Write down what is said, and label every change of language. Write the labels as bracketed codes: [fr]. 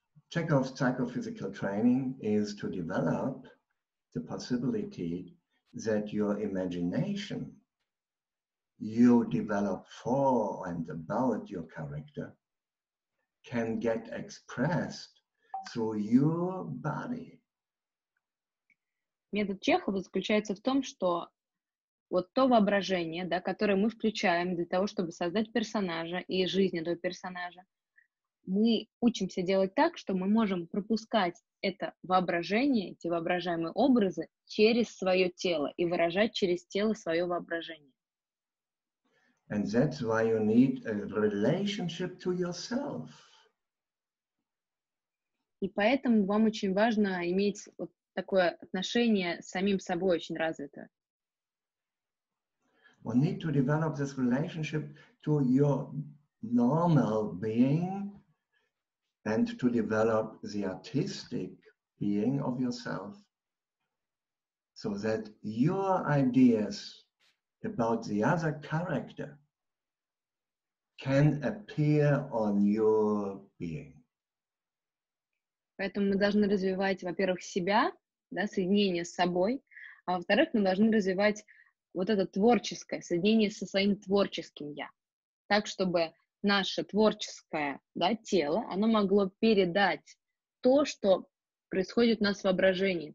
[en] Chekhov's psychophysical training is to develop the possibility that your imagination, you develop for and about your character, can get expressed through your body. [ru] Метод Чехова заключается в том, что вот то воображение, да, которое мы включаем для того, чтобы создать персонажа и жизнь этого персонажа, мы учимся делать так, что мы можем пропускать это воображение, эти воображаемые образы через свое тело и выражать через тело свое воображение. [en] And that's why you need a relationship to yourself. [ru] И поэтому вам очень важно иметь вот такое отношение с самим собой очень развитое. [en] We need to develop this relationship to your normal being. And to develop the artistic being of yourself, so that your ideas about the other character can appear on your being. [ru] Поэтому мы должны развивать, во-первых, себя, да, соединение с собой, а во-вторых, мы должны развивать вот это творческое соединение со своим творческим я, так чтобы наше творческое, да, тело, оно могло передать то, что происходит у нас в воображении.